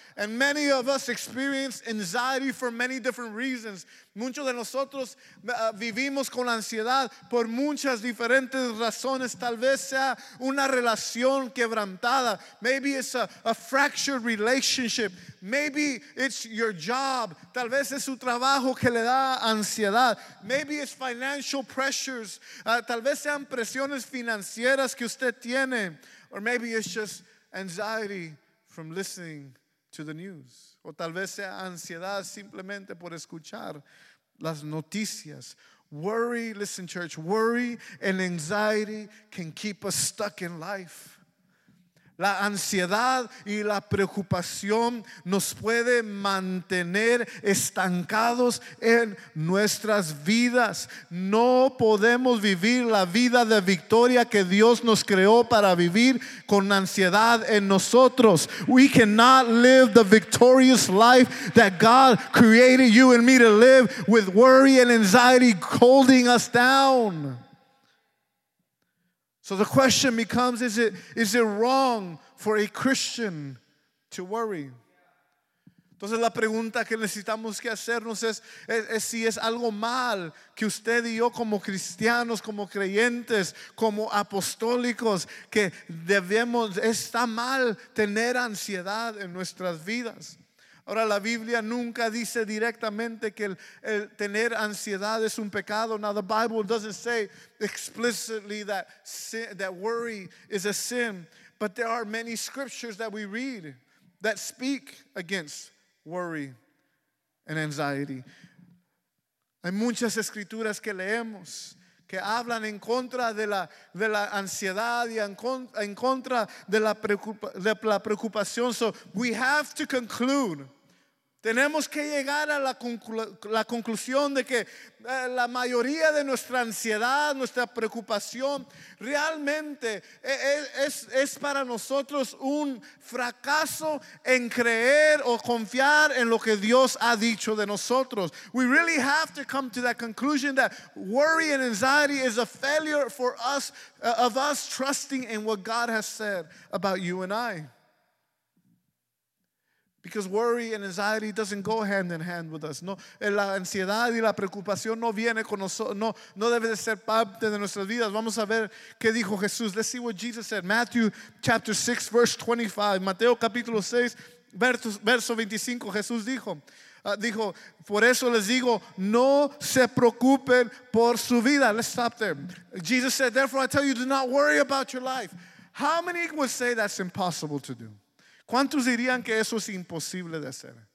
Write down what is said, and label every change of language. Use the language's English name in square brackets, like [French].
[English] And many of us experience anxiety for many different reasons. [Spanish] Muchos de nosotros vivimos con ansiedad por muchas diferentes razones. Tal vez sea una relación quebrantada. [English] Maybe it's a fractured relationship. Maybe it's your job. [Spanish] Tal vez es su trabajo que le da ansiedad. [English] Maybe it's financial pressures. [Spanish] Tal vez sean presiones financieras que usted tiene. [English] Or maybe it's just anxiety from listening to the news. [Spanish] O tal vez sea ansiedad simplemente por escuchar las noticias. [English] Worry, listen church, worry and anxiety can keep us stuck in life. [Spanish] La ansiedad y la preocupación nos puede mantener estancados en nuestras vidas. No podemos vivir la vida de victoria que Dios nos creó para vivir con ansiedad en nosotros. [English] We cannot live the victorious life that God created you and me to live with worry and anxiety holding us down. So the question becomes, is it wrong for a Christian to worry? [Spanish] Entonces la pregunta que necesitamos que hacernos es si es algo mal que usted y yo como cristianos, como creyentes, como apostólicos, que debemos, está mal tener ansiedad en nuestras vidas. Ahora, la Biblia nunca dice directamente que el tener ansiedad es un pecado. [English] Now the Bible doesn't say explicitly that sin, that worry is a sin, but there are many scriptures that we read that speak against worry and anxiety. [Spanish] Hay muchas escrituras que leemos que hablan en contra de la ansiedad y en contra de la preocupación. [English] So we have to conclude. [Spanish] Tenemos que llegar a la conclusión de que la mayoría de nuestra ansiedad, nuestra preocupación, realmente es para nosotros un fracaso en creer o confiar en lo que Dios ha dicho de nosotros. [English] We really have to come to that conclusion that worry and anxiety is a failure for us, of us trusting in what God has said about you and I. Because worry and anxiety doesn't go hand in hand with us. [Spanish] No, la ansiedad y la preocupación no viene con nosotros. No, no debe de ser parte de nuestras vidas. Vamos a ver qué dijo Jesús. [English] Let's see what Jesus said. Matthew chapter 6, verse 25. [Spanish] Mateo capítulo 6, verso 25. Jesús dijo, por eso les digo, no se preocupen por su vida. [English] Let's stop there. Jesus said, therefore I tell you, do not worry about your life. How many would say that's impossible to do? [Spanish] ¿Cuántos dirían que eso es imposible de hacer?